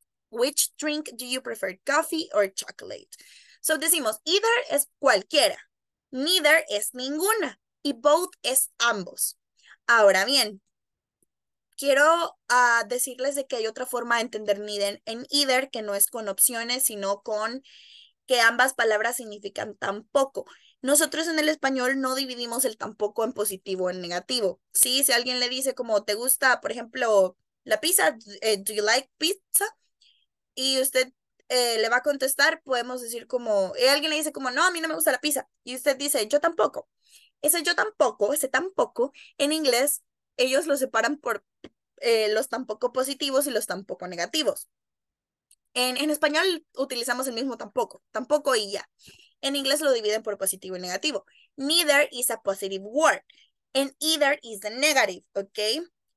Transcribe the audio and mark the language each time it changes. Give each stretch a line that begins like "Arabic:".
English: Which drink do you prefer, coffee or chocolate?
Spanish: So decimos, either es cualquiera, neither es ninguna, y both es ambos. Ahora bien, quiero decirles de que hay otra forma de entender neither en either, que no es con opciones, sino con que ambas palabras significan tampoco. Nosotros en el español no dividimos el tampoco en positivo o en negativo. ¿Sí? Si alguien le dice como, ¿te gusta, por ejemplo, la pizza?
English: ¿Do you like pizza?
Spanish: Y usted le va a contestar, podemos decir como, y alguien le dice como, no, a mí no me gusta la pizza. Y usted dice, yo tampoco. Ese tampoco, en inglés, ellos lo separan por los tampoco positivos y los tampoco negativos. En español utilizamos el mismo tampoco y ya. En inglés lo dividen por positivo y negativo.
English: Neither is a positive word, and either is the negative, okay?